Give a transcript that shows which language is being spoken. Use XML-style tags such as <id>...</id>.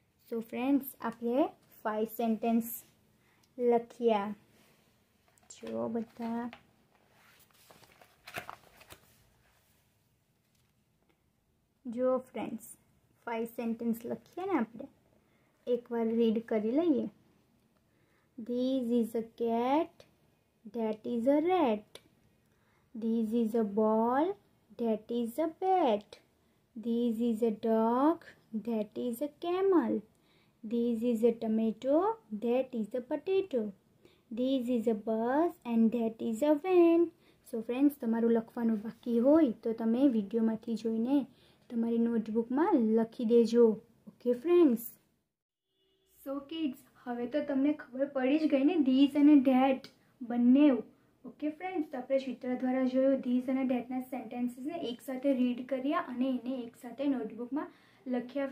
<gu>So friends, આપણે five sentences લખ્યા. જુઓ બધા. જુઓ ફ્રેન્ડ્સ, 5 સેન્ટેન્સ લખીએ ને આપણે, એકવાર રીડ કરી લઈએ.</gu> <en>This is a cat, that is a rat. This is a ball, that is a bat. This is a dog, that is a camel. This is a tomato, that is a potato. This is a bus and that is a van.</en> <gu>So friends, તમારું લખવાનું બાકી હોય તો તમે વિડીયોમાંથી જોઈને તમારી નોટબુકમાં લખી દેજો. ઓકે ફ્રેન્ડ્સ, સો કિડ્સ, હવે તો તમને ખબર પડી જ ગઈ ને ધીસ અને ધેટ બંને. ઓકે ફ્રેન્ડ્સ, તો આપણે ચિત્ર દ્વારા જોયું ધીસ અને ધેટના સેન્ટેન્સીસને એકસાથે રીડ કર્યા અને એને એકસાથે નોટબુકમાં લખ્યા.</gu>